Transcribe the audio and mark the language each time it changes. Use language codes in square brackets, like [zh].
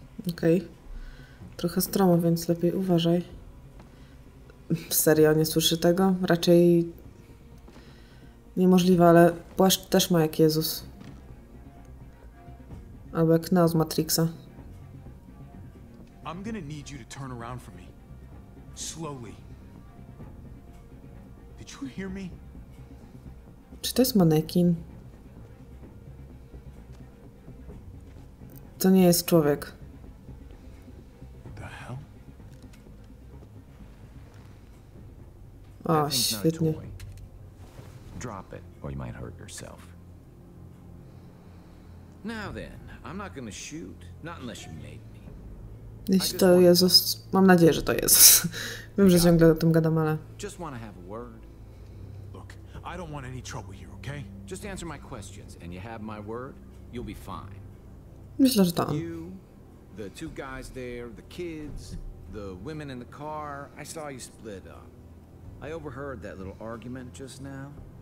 [pl] Okej. Trochę stromo, więc lepiej uważaj. Serio, nie słyszy tego? Raczej niemożliwe, ale płaszcz też ma jak Jezus. Albo jak Neo z Matrixa. [en] I'm gonna need you to turn around for me. Slowly. Did you hear me? [pl] Czy to jest manekin? To nie jest człowiek. [en] The hell? [pl] O, świetnie. [en] Drop it, or you might hurt yourself. Now then, I'm not gonna shoot, not unless you made me. [pl] Jeśli to Jezus, mam nadzieję, że to Jezus. Wiem, że ciągle o tym gadam, ale. [en] Just wanna have a word. Look, I don't want any trouble here, okay? Just answer my questions, and you have my word, you'll be fine. [pl] Myślę, że to. [en] You, the two guys there, the kids, the women in the car. I saw you split up. I overheard that little argument just now.